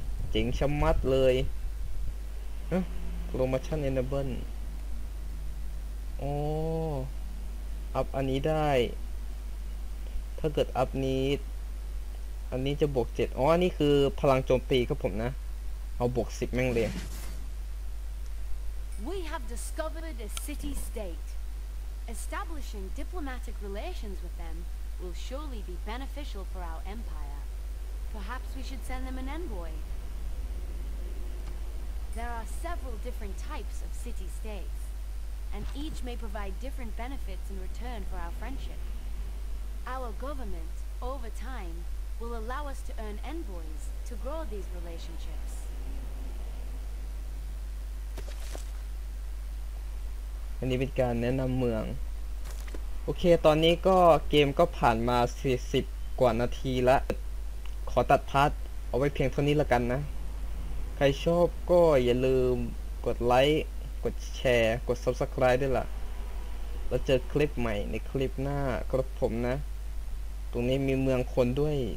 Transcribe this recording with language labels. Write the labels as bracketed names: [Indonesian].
[Thai] เจ๋งชะมัดเลยเอ๊ะโปรโมชั่นเอนเนเบิลอัพอันนี้ได้ถ้าเกิดอัพนี้อันนี้จะบวก7อ๋อนี่คือพลังโจมตีครับผมนะเอาบวก10แม่งเลย [English] We have discovered a city state. Establishing diplomatic relations with them will surely be beneficial for our empire. Perhaps we should send them an envoyThere are several different types of city-states, and each may provide different benefits in return for our friendship. Our government, over time, will allow us to earn envoys to grow these relationships. [Thai] อันนี้เป็นการแนะนำเมืองโอเคตอนนี้ก็เกมก็ผ่านมา40กว่านาทีละขอตัดพาร์ทเอาไว้เพียงเท่านี้ละกันนะใครชอบก็อย่าลืมกดไลค์กดแชร์กด Subscribe ด้วยล่ะแล้วเจอคลิปใหม่ในคลิปหน้าครับผมนะตรงนี้มีเมืองคนด้วย